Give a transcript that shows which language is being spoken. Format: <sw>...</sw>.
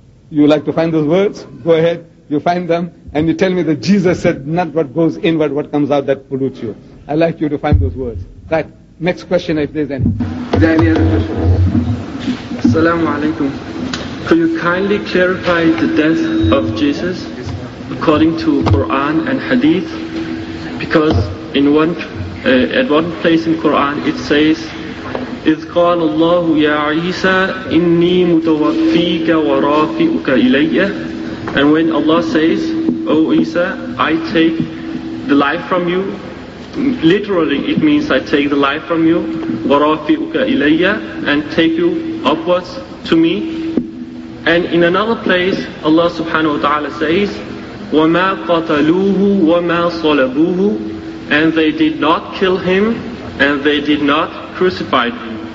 <en>You like to find those words? Go ahead. You find them and you tell me that Jesus said, not what goes inward, what comes out, that pollutes you. I like you to find those words. Right. Next question, if there's any. Is there any other question? Assalamu alaikum. Could you kindly clarify the death of Jesus according to Quran and Hadith? Because at one place in Quran it says,</en> <ar>إِذْ قَالَ اللَّهُ يَا عِيسَى إِنِّي مُتَوَفِّيكَ وَرَافِئُكَ إِلَيَّ.</ar> <en>And when Allah says, O Isa, I take the life from you, literally it means I take the life from you,</en> <ar>وَرَافِئُكَ إِلَيَّ,</ar> <en>and take you upwards to me. And in another place, Allah subhanahu wa ta'ala says,</en> <ar>وَمَا قَتَلُوهُ وَمَا صَلَبُوهُ,</ar> <en>and they did not kill him, and they did not crucify him.</en>